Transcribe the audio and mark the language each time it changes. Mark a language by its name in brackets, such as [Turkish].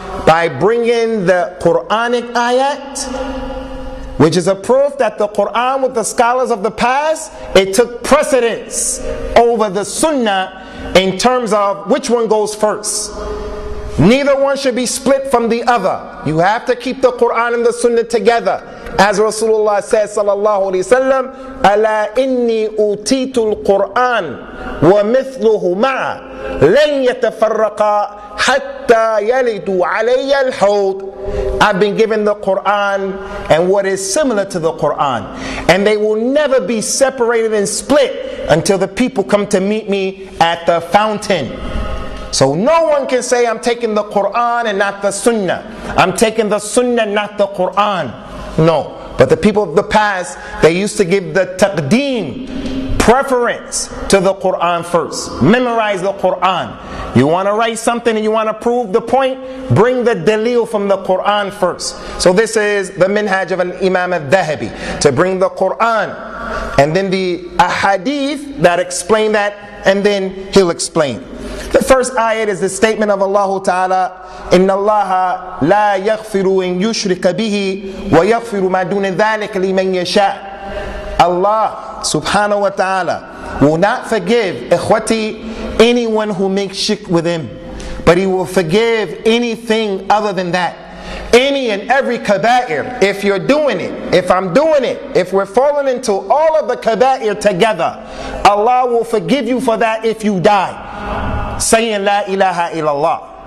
[English] By bringing the Quranic ayat, which is a proof that the Quran with the scholars of the past, it took precedence over the sunnah in terms of which one goes first. Neither one should be split from the other. You have to keep the Quran and the sunnah together. As Rasulullah says, [Arabic] sallallahu alayhi wa sallam, أَلَا إِنِّي أُوتِيتُ الْقُرْآنِ وَمِثْلُهُ مَعَ لَنْ يَتَفَرَّقَ حَتَّى يَلِدُ عَلَيَّ الْحَوْضِ. [English] I've been given the Quran and what is similar to the Quran, and they will never be separated and split until the people come to meet me at the fountain. So no one can say, I'm taking the Quran and not the Sunnah. I'm taking the Sunnah, not the Quran. No, but the people of the past, they used to give the taqdeem, preference to the Quran first. Memorize the Quran. You want to write something and you want to prove the point, bring the dalil from the Quran first. So this is the minhaj of Al-Imam al-Dhahabi, to bring the Quran and then the ahadith that explain that, and then he'll explain. The first ayat is the statement of Allah Ta'ala, [Arabic] إِنَّ اللَّهَ لَا يَغْفِرُ إِنْ يُشْرِكَ بِهِ وَيَغْفِرُ مَا دُونَ ذَلِكَ لِمَنْ يَشَاءُ. [English] Allah Subhanahu Wa Ta'ala will not forgive, ikhwati, anyone who makes shirk with Him. But He will forgive anything other than that. Any and every kabair, if you're doing it, if I'm doing it, if we're falling into all of the kabair together, Allah will forgive you for that if you die, saying La ilaha illallah.